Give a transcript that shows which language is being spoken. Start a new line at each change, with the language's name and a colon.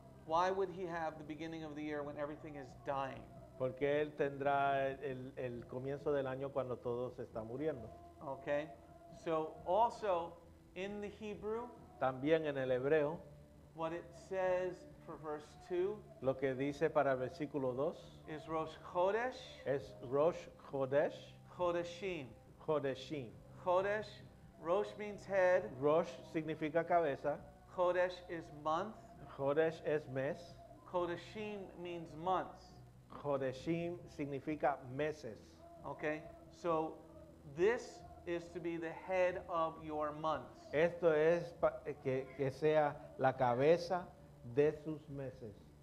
English: Why would he have the beginning of the year when everything is dying?
Spanish: Porque él tendrá el comienzo del año cuando todo se está muriendo.
English: Okay. So also in the Hebrew,
Spanish: también en el hebreo,
English: what it says for verse 2,
Spanish: lo que dice para versículo 2,
English: is Rosh Chodesh.
Spanish: Es Rosh Chodesh.
Hebrew: Chodeshim. Chodeshim.
English: Chodesh. Rosh means head.
Spanish: Rosh significa cabeza.
English: Chodesh is month.
Spanish: Chodesh es mes.
English: Chodeshim means months.
Spanish: Chodeshim significa meses.
English: Okay, so this is to be the head of your months.
Spanish: Esto es que sea la cabeza de sus meses.